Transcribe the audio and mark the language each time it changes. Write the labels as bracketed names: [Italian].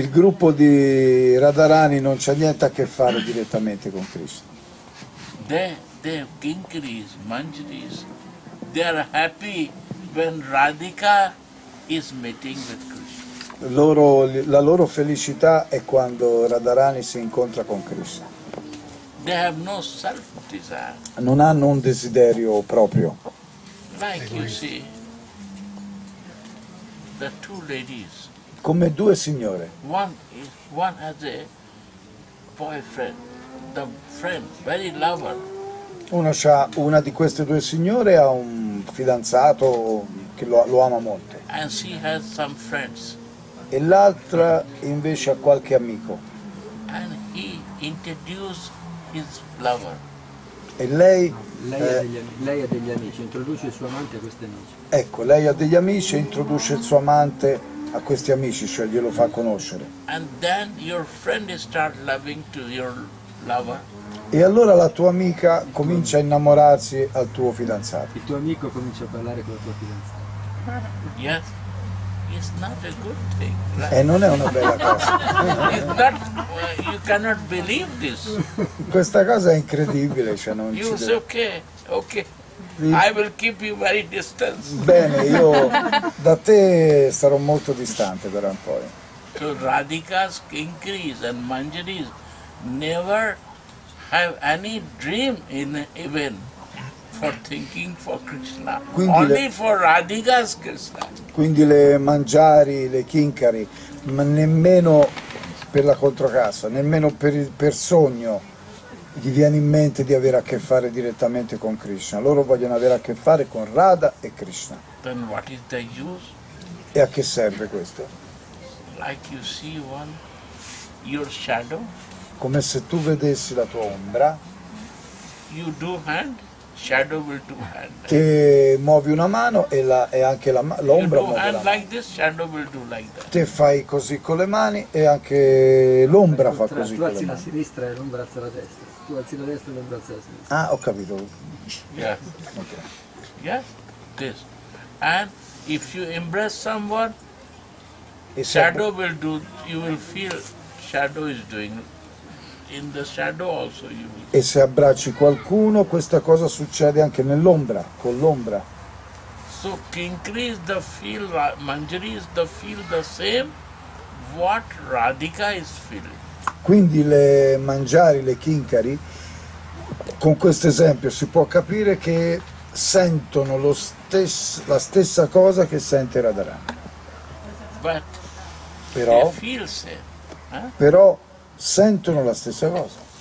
[Italian] il gruppo di Radharani non c'ha niente a che fare direttamente con Krishna. [English] They kinkris, manjris, they are happy when Radhika is meeting with Krishna. [Italian] Loro, la loro felicità è quando Radharani si incontra con Krishna. [English] They have no self-desire. [Italian] Non hanno un desiderio proprio. [English] Like you see, the two ladies. [Italian] Come due signore. [English] One has a boyfriend, the friend, very lover. [Italian] Uno c'ha, una di queste due signore ha un fidanzato che lo ama molto. [English] And she has some friends. [Italian] E l'altra invece ha qualche amico. [English] And he introduced his lover. [Italian] E lei lei ha degli amici, introduce il suo amante a questi amici. Ecco, lei ha degli amici e introduce il suo amante a questi amici, cioè glielo fa conoscere. [English] And then your friend start loving to your lover. [Italian] E allora la tua amica comincia a innamorarsi al tuo fidanzato. Il tuo amico comincia a parlare con la tua fidanzata. [English] Yes. It's not a good thing. [Italian] E non è una bella cosa. [English] Not, you cannot believe this. [Italian] Questa cosa è incredibile, cioè non [English] you [Italian] ci. [English] You say okay. I will keep you very distant. [Italian] Bene, io da te sarò molto distante per un po'. [English] So Radhika's kinkris and manjaris never have any dream in even for thinking for Krishna. [Italian] Quindi [English] only for Radhika's Krishna. [Italian] Quindi le mangiari, le kinkari, ma nemmeno per la controcassa, nemmeno per sogno gli viene in mente di avere a che fare direttamente con Krishna. Loro vogliono avere a che fare con Radha e Krishna. [English] Then what is the use? [Italian] E a che serve questo? [English] Like you see one your shadow. [Italian] Come se tu vedessi la tua ombra. [English] You do hand, shadow will do hand. [Italian] Te muovi una mano e la e anche la l'ombra [English] you do [Italian] muove [English] hand [Italian] la [English] like this, shadow will do like that. [Italian] Te fai così con le mani e anche l'ombra fa così con le mani. Tu alzi la sinistra e l'ombra alza la destra. Tu alzi la destra e l'ombra alza la sinistra. Ah, ho capito. [English] Yeah. Okay. Yes? This. And if you embrace someone, shadow will do, you will feel shadow is doing. In the shadow also you will. [Italian] E se abbracci qualcuno, questa cosa succede anche nell'ombra, con l'ombra. [English] So Kinkris the feel, Manjaris the feel the same what Radhika is feeling. [Italian] Quindi le Manjari, le Kinkari, con questo esempio si può capire che sentono lo la stessa cosa che sente Radharani. [English] But [Italian] però, [English] they feel same, eh? [Italian] Però sentono la stessa cosa.